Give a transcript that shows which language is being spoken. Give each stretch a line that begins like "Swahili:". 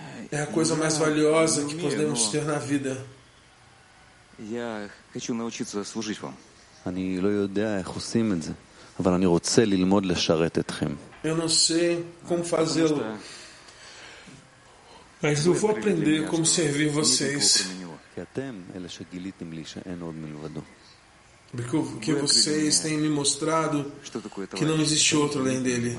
Portuguese: É a coisa mais valiosa que podemos ter na vida.
Russian: Я хочу научиться служить вам.
Hebrew: Они לא יודע איך עושים את זה, אבל אני רוצה ללמוד לשרת אתכם.
Portuguese: Eu não sei como fazê-lo. Mas eu vou aprender como servir vocês.
Hebrew: אתם אלה שגיליתם לי שאין עוד מלבדו.
Portuguese: Porque vocês têm me mostrado que não existe outro além dele.